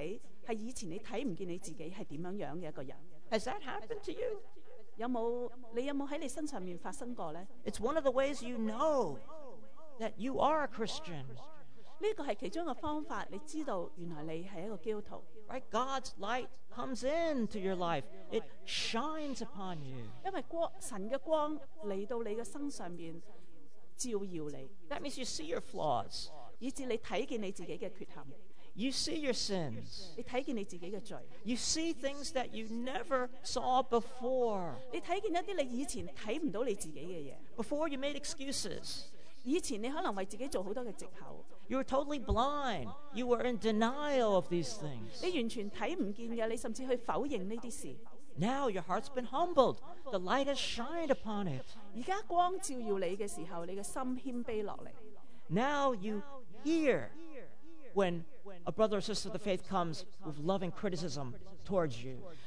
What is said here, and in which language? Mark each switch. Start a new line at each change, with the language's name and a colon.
Chinese: 因為當神的光去光照你的時候,你就看見你自己,是以前你看不見你自己是怎樣的一個人。
English: Has that happened to you?
Chinese: 你有沒有在你身上發生過呢?
English: It's one of the ways you know that you are a Christian.
Chinese: 這是其中一個方法,你知道原來你是一個基督徒。
English: Right? God's light comes into your life. It shines upon you.
Chinese: 因為神的光來到你的身上,照耀你。
English: That means you see your flaws.
Chinese: 以致你看見你自己的缺陷。
English: You see your sins.
Chinese: 你看見你自己的罪。
English: You see things that you never saw before.
Chinese: 你看見一些你以前看不到你自己的東西。
English: Before you made excuses.
Chinese: 以前你可能為自己做很多的藉口。
English: You were totally blind. You were in denial of these things.
Chinese: 你完全看不見的,你甚至去否認這些事。
English: Now your heart's been humbled. The light has shined upon it.
Chinese: 現在光照耀你的時候,你的心謙卑下來。
English: Now you hear when a brother or sister of the faith comes with loving criticism towards you.